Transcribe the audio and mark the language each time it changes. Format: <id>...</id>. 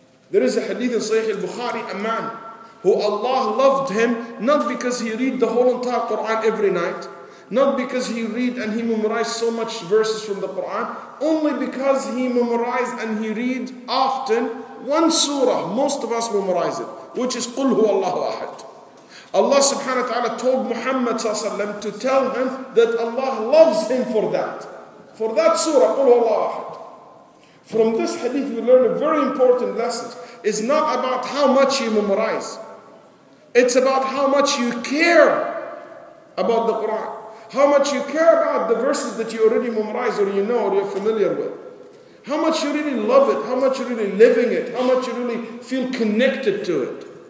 <en>There is a hadith in Sahih al-Bukhari, a man who Allah loved him, not because he read the whole entire Quran every night, not because he read and he memorized so much verses from the Quran, only because he memorized and he read often one surah, most of us memorize it, which is</en> <ar>قُلْ هُوَ اللَّهُ أَحَدٌ.</ar> <en>Allah subhanahu wa ta'ala told Muhammad sallallahu alayhi wa sallam to tell him that Allah loves him for that. For that surah,</en> <ar>قُلْ هُوَ اللَّهُ أَحَدٌ.</ar> <en>From this hadith we learn a very important lesson. It's not about how much you memorize. It's about how much you care about the Quran. How much you care about the verses that you already memorize or you know or you're familiar with. How much you really love it. How much you're really living it. How much you really feel connected to it.</en>